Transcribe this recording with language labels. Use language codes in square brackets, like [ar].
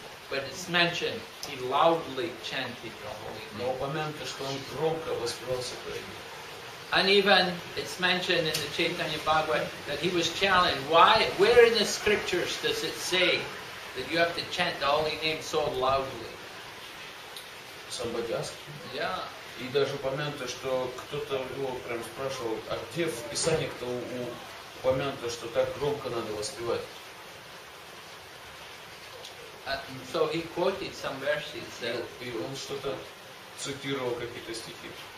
[en] But it's mentioned he loudly chanted the holy name. [ru] Но упомянуто, что он громко воспевал святое имя. [en] And even it's mentioned in the Chaitanya Bhagavat that he was challenged. Why? Where in the scriptures does it say that you have to chant the holy name so loudly? Somebody asked him. Yeah. [ru] И даже упомянуто, что кто-то его прям спрашивал, а где в Писании кто упомянуто, что так громко надо воспевать? [en] So he quoted some verses. [ru] И он что-то цитировал какие-то стихи.